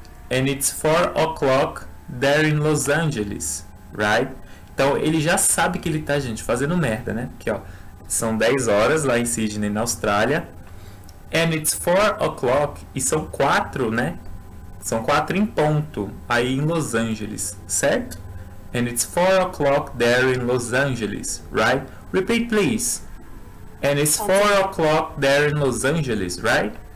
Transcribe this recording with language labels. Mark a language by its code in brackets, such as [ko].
[en] And it's 4 o'clock there in Los Angeles, right? [pt] Então, ele já sabe que ele tá, gente, fazendo merda, né? Aqui, ó. São 10 horas lá em Sydney, na Austrália. [en] And it's 4 o'clock. [pt] E são 4, né? São 4 em ponto, aí em Los Angeles, certo? [en] And it's 4 o'clock there in Los Angeles, right? Repeat, please. And it's 4 o'clock there in Los Angeles, right?